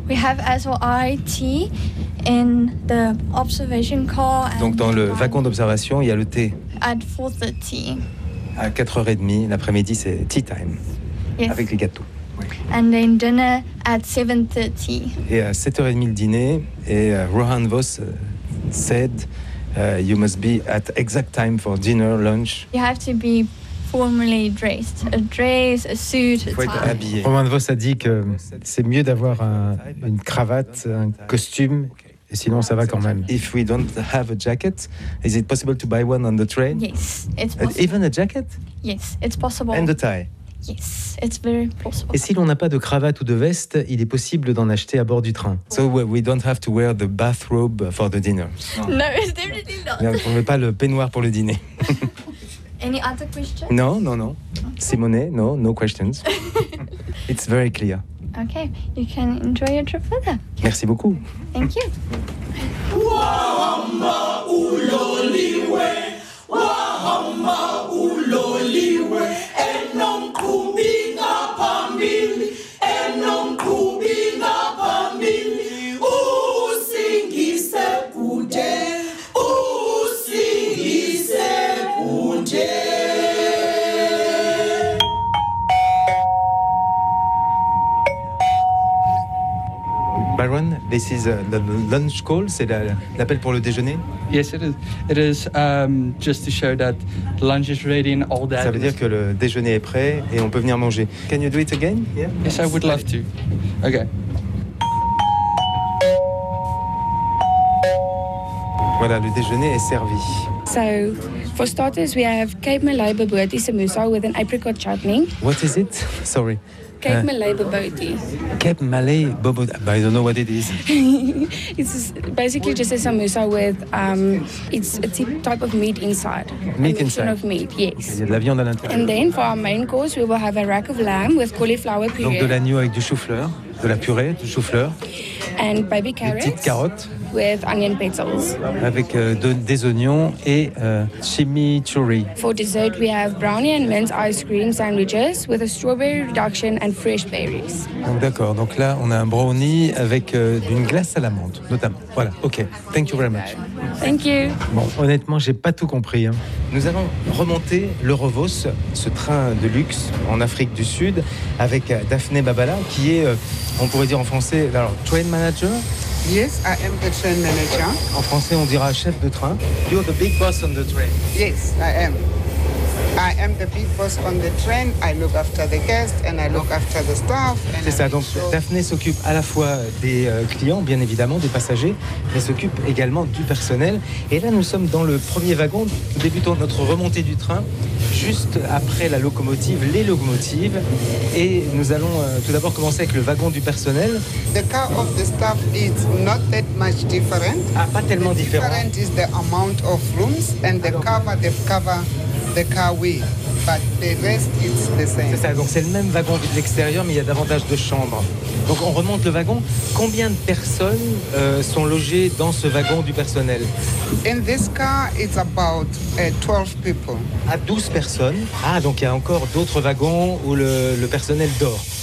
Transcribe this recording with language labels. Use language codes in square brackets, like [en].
[en] We have as well IT in the observation car. [fr] Donc dans le wagon d'observation, il y a le thé. [en] At 4:30. [fr] À 4h30, l'après-midi, c'est tea time, [en] yes. [fr] Avec les gâteaux. [en] And then dinner at 7:30. [fr] Et à 7h30 le dîner, et [en] Rohan Vos said, you must be at exact time for dinner, lunch. You have to be formally dressed. A dress, a suit, a tie. [fr] Il faut être habillé. Rohan Vos a dit que c'est mieux d'avoir une cravate, un costume, et sinon ça va quand même. [en] If we don't have a jacket, is it possible to buy one on the train? Yes, it's possible. Even a jacket? Yes, it's possible. And a tie? Yes, it's very possible. [fr] Et si l'on n'a pas de cravate ou de veste, il est possible d'en acheter à bord du train. [en] So we don't have to wear the bathrobe for the dinner. No, it's definitely not. [fr] On ne met pas le peignoir pour le dîner. [en] Any other questions? No. Simone, no questions. It's very clear. Okay, you can enjoy your trip further. [fr] Merci beaucoup. [en] Thank you. [zu] Wahama uloliwe, wahama uloliwe, enomkhumbi ngaphambili, enomkhumbi ngaphambili, usingise bhuthe, usingise bhuthe. [en] Byron, this is the lunch call. [fr] C'est l'appel pour le déjeuner. [en] Yes, it is. It is just to show that lunch is ready and all that. [fr] Ça veut dire que le déjeuner est prêt et on peut venir manger. [en] Can you do it again? Yeah. Yes, I would love to. Okay. [fr] Voilà, le déjeuner est servi. [en] So, for starters, we have Cape Malay Bobotie Samosa with an apricot chutney. What is it? Sorry. Cape Malay Bobotie. Cape Malay Bobotie, but I don't know what it is. It's basically just a samosa with, it's a type of meat inside. Meat inside? A mixture of meat, yes. [fr] Okay, y a de la viande à l'intérieur. [en] And then for our main course, we will have a rack of lamb with cauliflower puree. [fr] Donc de l'agneau avec du chou-fleur, de la purée, du chou-fleur. [en] And baby carrots. [fr] Des petites carottes. [en] With onion petals. [fr] Avec des oignons et chimichurri. [en] For dessert, we have brownie and mint ice cream sandwiches with a strawberry reduction and fresh berries. [fr] Donc d'accord, donc là on a un brownie avec une glace à la menthe, notamment. [en] Voilà, ok. Thank you very much. Thank you. [fr] Bon, honnêtement, j'ai pas tout compris. Hein. Nous allons remonter l'Eurovos, ce train de luxe en Afrique du Sud, avec Daphné Babala, qui est, on pourrait dire en français, alors, train manager. [en] Yes, I am the train manager. [fr] En français, on dira chef de train. [en] You are the big boss on the train. Yes, I am. I am the big boss on the train. I look after the guests and I look after the staff. And [fr] c'est ça, donc sure. Daphné s'occupe à la fois des clients, bien évidemment, des passagers, mais s'occupe également du personnel. Et là, nous sommes dans le premier wagon. Nous débutons notre remontée du train juste après la locomotive, les locomotives. Et nous allons tout d'abord commencer avec le wagon du personnel. [en] The car of the staff is not that much different. [fr] Ah, pas tellement different. [en] The difference is the amount of rooms and the cover they cover. The car, oui, but the rest is the same. [fr] C'est ça, donc c'est le même wagon vu de l'extérieur, mais il y a davantage de chambres. Donc on remonte le wagon. Combien de personnes sont logées dans ce wagon du personnel? [en] In this car, it's about 12 people. [fr] À 12 personnes. Ah, donc il y a encore d'autres wagons où le personnel dort.